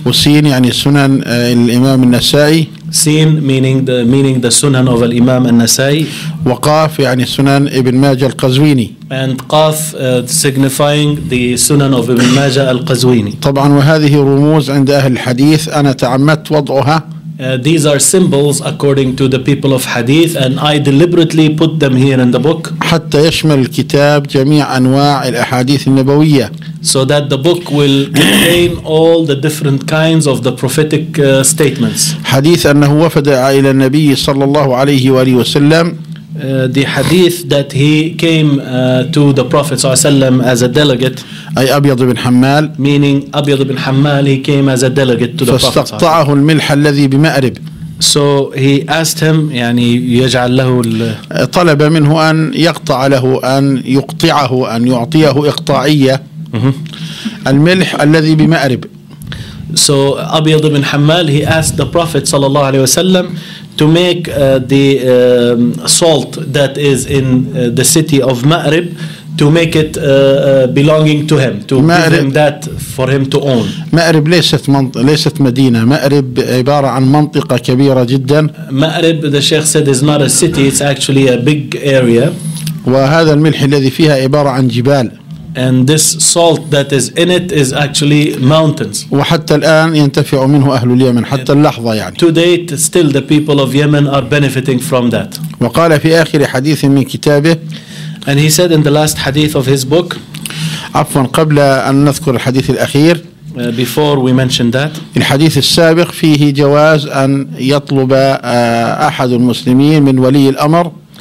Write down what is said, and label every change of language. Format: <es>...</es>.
<ar>وسين يعني سنن الإمام النسائي.</ar> <en>Seen meaning the sunan of al-imam al-nasai.</en> <ar>وقاف يعني سنن ابن ماجه القزويني.</ar> <en>And قاف signifying the sunan of ابن ماجه القزويني.</en> <ar>طبعا وهذه رموز عند أهل الحديث أنا تعمدت وضعها.</ar> <en>These are symbols according to the people of hadith and I deliberately put them here in the book.</en> <ar>حتى يشمل الكتاب جميع أنواع الأحاديث النبوية.</ar> <en>So that the book will contain all the different kinds of the prophetic statements.</en> <ar>حديث أنه وفد إلى النبي صلى الله عليه وآله وسلم.</ar> <en>The hadith that he came to the Prophet</en> <ar>صلى الله عليه وسلم</ar> <en>as a delegate.</en> <ar>أي أبيض بن حمال.</ar> <en>Meaning أبيض بن حمال, he came as a delegate to the Prophet.</en> <ar>فاستقطعه الملح الذي بمأرب.</ar> <en>So he asked him,</en> <ar>يعني يجعل له. طلب منه أن يقطع له, أن يقطعه, أن يعطيه إقطاعية. الملح الذي بمأرب.</ar> <en>So أبيض بن حمال, he asked the Prophet</en> <ar>صلى الله عليه وسلم</ar> <en>to make the salt that is in the city of Ma'rib to make it belonging to him, to give him that for him to own.</en> <ar>Ma'rib ليست مدينة. Ma'rib عبارة عن منطقة كبيرة جدا.</ar> <en>Ma'rib, the Sheikh said, is not a city, it's actually a big area.</en> <ar>وهذا الملح الذي فيها عبارة عن جبال.</ar> <en>And this salt that is in it is actually mountains.</en> <ar>وحتى الآن ينتفع منه أهل اليمن حتى اللحظة يعني.</ar> <en>To date, still the people of Yemen are benefiting from that.</en> <ar>وقال في آخر حديث من كتابه.</ar> <en>And he said in the last hadith of his book.</en> <ar>عفوا قبل أن نذكر الحديث الأخير.</ar> <en>Before we mention that.</en> <ar>الحديث السابق فيه جواز أن يطلب أحد المسلمين من ولي الأمر.</ar>